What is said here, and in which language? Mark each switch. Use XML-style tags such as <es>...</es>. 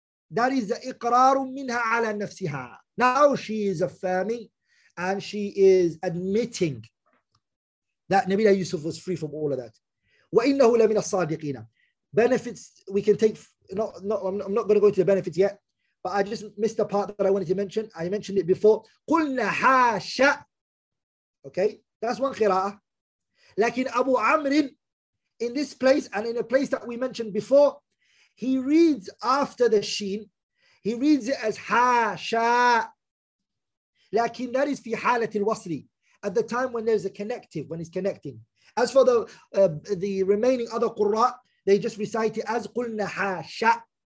<en>That is the</en> <ar>إقرار منها على نفسها.</ar> <en>Now she is affirming and she is admitting that Nabila Yusuf was free from all of that.</en> <ar>وإنه لمن الصادقين.</ar> <en>Benefits we can take. I'm not going to go into the benefits yet. But I just missed a part that I wanted to mention. I mentioned it before.</en> <ar>قُلْنَا حَاشَ.</ar> <en>Okay, that's one qira'ah. لكن Abu Amr, in this place and in a place that we mentioned before, he reads after the sheen, he reads it as حَاشَ.</en> <ar>لكن</ar> <en>that is</en> <ar>في حالة الوصلي.</ar> <en>At the time when there's a connective, when it's connecting. As for the remaining other qurra, they just recite it as</en> <ar>قُلْنَا حَاشَ.</ar>